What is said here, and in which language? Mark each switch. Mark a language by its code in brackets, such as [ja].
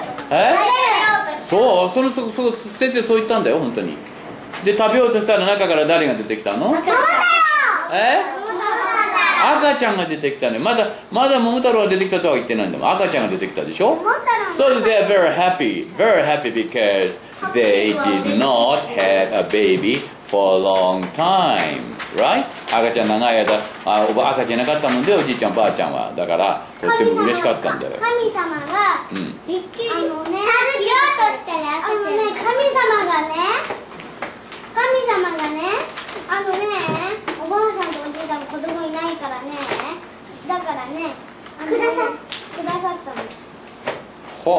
[ja] え？食べる。そう、その先生そう言ったんだよ本当に。で食べようとしたら中から誰が出てきたの？桃太郎。え？赤ちゃんが出てきたね。まだ桃太郎が出てきたとは言ってないんだもん。赤ちゃんが出てきたでしょ。桃太郎。 [en] So they are very happy. Very happy because they did not have a baby for a long time. Right? [ja] 赤ちゃん長い間、おばあ赤ちゃんなかったもんで、おじいちゃんばあちゃんは。だから、とっても嬉しかったんだよ。神様が、うん、びっくりさせようとしてね。あのね、神様がね、あのね、おばあさんとおじいさんも子供いないからね、だからね、くださったの。